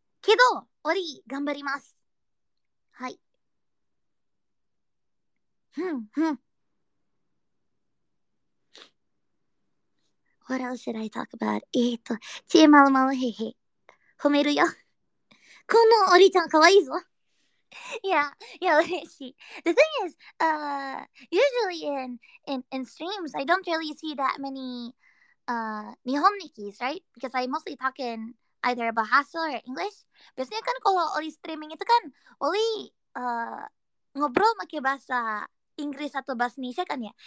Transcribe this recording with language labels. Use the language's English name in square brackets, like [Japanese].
[Japanese] けど、オリ、頑張ります。はい。 [English] ふんふん。What else should I talk about? [Japanese] ちぇまるまるへへ。褒めるよ。このオリちゃんかわいいぞ。 [English] Yeah, see. The thing is, usually in streams, I don't really see that many Nihon Nikis, right? Because I mostly talk in either Bahasa or English. [Indonesian] Biasanya kan kalau Oli streaming itu kan, Oli ngobrol pakai bahasa Inggris atau bahasa Indonesia kan ya.